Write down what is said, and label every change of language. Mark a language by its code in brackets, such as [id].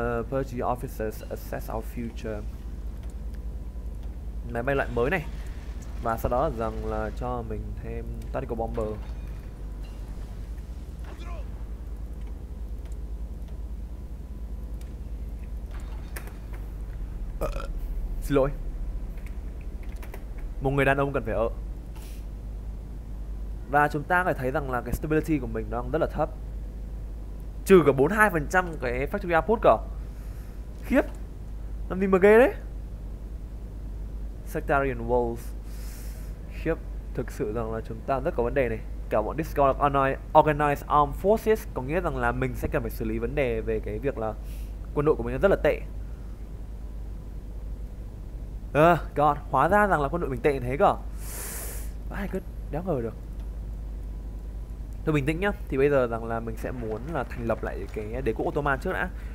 [en] Purge the officers, assess our future. [vi] Máy bay loại mới này. Và sau đó rằng là cho mình thêm tactical bomber. Xin lỗi, một người đàn ông cần phải ở. Và chúng ta có thể thấy rằng là cái stability của mình đang rất là thấp. Trừ cả 42% cái factory output cơ. Khiếp. Làm gì mà ghê đấy. Sectarian walls. Khiếp. Thực sự rằng là chúng ta rất có vấn đề này. Cả bọn Discord Organized Armed Forces. Có nghĩa rằng là mình sẽ cần phải xử lý vấn đề về cái việc là quân đội của mình rất là tệ. God, hóa ra rằng là quân đội mình tệ như thế cơ. Ai cứ đéo ngờ được. Thôi bình tĩnh nhá. Thì bây giờ rằng là mình sẽ muốn là thành lập lại cái đế quốc Ottoman trước đã.